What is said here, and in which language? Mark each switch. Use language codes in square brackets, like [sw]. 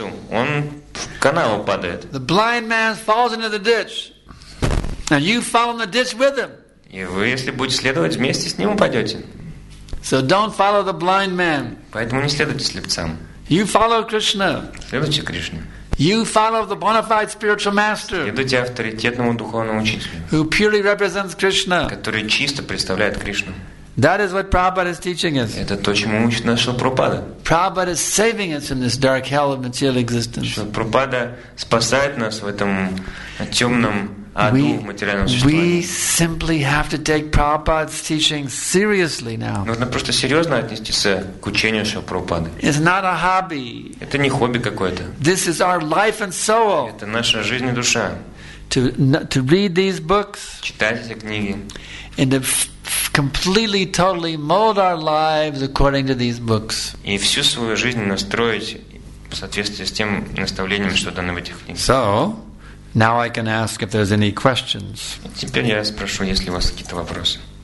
[en] The blind man falls into the ditch, and you fall in the ditch with him. [ru] И вы, если будете следовать вместе с ним, упадете. [en] So don't follow the blind man. [ru] Поэтому не следуйте слепцам. [en] You follow Krishna. [ru] Следуйте Кришне. [en] You follow the bona fide spiritual master. [ru] Следуйте авторитетному духовному учителю. [en] Who purely represents Krishna. [ru] Который чисто представляет Кришну. [en] That is what Prabhupada is teaching us. [ru] Это то, чему учит нас Прабхупада. [en] Prabhupada is saving us from this dark hell of material existence. [ru] Что Прабхупада спасает нас в этом темном аду материального существования. [en] We simply have to take Prabhupada's teaching seriously now. [ru] Нужно просто серьезно отнестись к учению Прабхупады. [en] It's not a hobby. [ru] Это не хобби какое-то. [en] This is our life and soul. [ru] Это наша жизнь и душа. [en] To read these books. [ru] Читать эти книги. [en] And to completely, totally mold our lives according to these books. [ru] И всю свою жизнь настроить в соответствии с тем наставлением, что дано в этих книгах. [en] So, now I can ask if there's any questions. [ru] Теперь я спрошу, есть ли у вас какие-то вопросы.